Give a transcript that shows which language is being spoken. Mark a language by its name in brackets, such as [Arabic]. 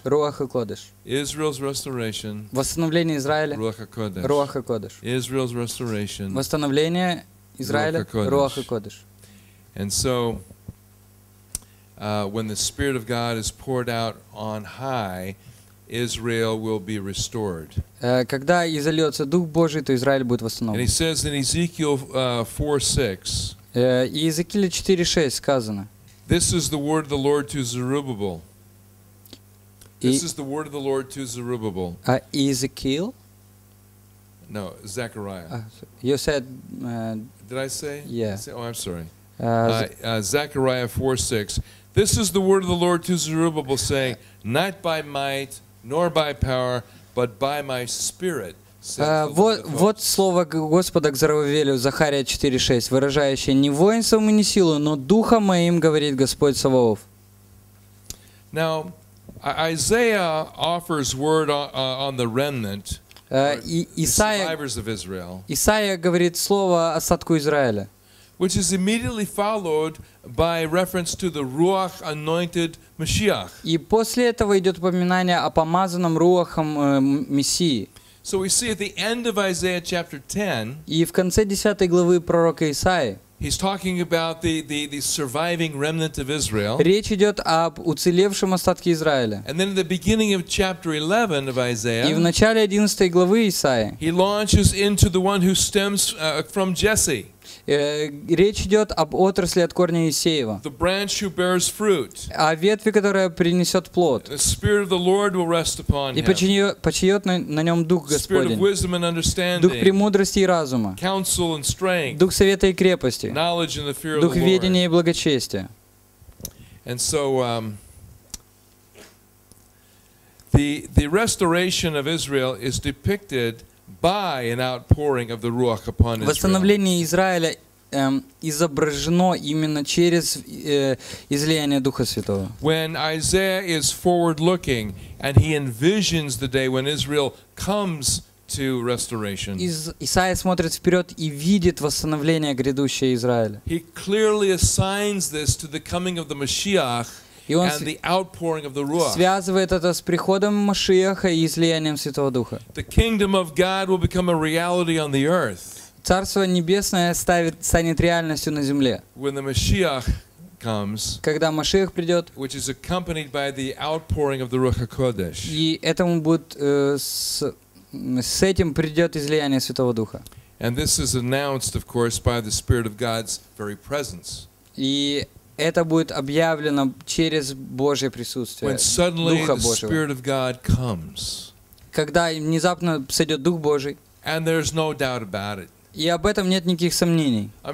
[Russian] Руах Акодеш. [English] Israel's restoration. [Russian] Восстановление Израиля. Руах Акодеш. Руах Акодеш. [English] Israel's restoration. [Russian] Восстановление Израиля. Руах Акодеш. [English] And so, when the Spirit of God is poured out on high, Israel will be restored. [Russian] Когда изольется Дух Божий, то Израиль будет восстановлен. [English] And he says in Ezekiel 4:6. [Russian] Иезекииле 4:6 сказано. [English] This is the word of the Lord to Zerubbabel. This is the word of the Lord to Zerubbabel. Ezekiel? No, Zechariah. You said... Did I say? Yeah. I'm sorry. Zechariah 4:6. This is the word of the Lord to Zerubbabel, saying, not by might, nor by power, but by my spirit. [Russian] Вот слово Господа к Зарававелю, Захария 4:6, выражающее не воинством и не силой, но духом моим, говорит Господь Саваоф. [English] Now, Isaiah offers word on the remnant, [Russian] Исаия, [English] the survivors of Israel. [Russian] Исаия говорит слово остатку Израиля, [English] which is immediately followed by reference to the Ruach anointed Mashiach. [Russian] И после этого идет упоминание о помазанном Руахом Мессии. [English] So we see at the end of Isaiah chapter 10. [Russian] И в конце 10 главы пророка Исаии. [English] He's talking about the surviving remnant of Israel. [Russian] Речь идет об уцелевшем остатке Израиля. [English] And then in the beginning of chapter 11 of Isaiah. [Russian] И в начале 11 главы Исаии. [English] He launches into the one who stems from Jesse. [Russian] Речь идет об отрасли от корня Иессеева. [English] The branch who bears fruit. [Russian] О ветви, которая принесет плод. [English] The spirit of the Lord will rest upon him. [Russian] И почиет на нем Дух Господень. [English] Spirit of wisdom and understanding. [Russian] Дух премудрости и разума. [English] Counsel and strength. [Russian] Дух совета и крепости. [English] Knowledge and the fear of the Lord. [Russian] Дух ведения и благочестия. [English] And so the restoration of Israel is depicted by an outpouring of the Ruach upon Israel. [Russian] Восстановление Израиля изображено именно через излияние Духа Святого. [English] When Isaiah is forward-looking and he envisions the day when Israel comes to restoration. [Russian] Исаия смотрит вперед и видит восстановление грядущее Израиля. [English] He clearly assigns this to the coming of the Mashiach. [Russian] И он [English] and the outpouring of the Ruach. [Russian] Связывает это с приходом Машиаха и излиянием Святого Духа. [English] The kingdom of God will become a reality on the earth. [Russian] Царство небесное станет реальностью на земле. [English] When the Mashiach comes, [Russian] когда Машиах придет, [English] which is accompanied by the outpouring of the Ruach HaKodesh. [Russian] И этому будет с этим придет излияние Святого Духа. [English] And this is announced, of course, by the Spirit of God's very presence. [Russian] И это будет объявлено через Божье присутствие, Духа Божьего. Когда внезапно сойдет Дух Божий. И об этом нет никаких сомнений.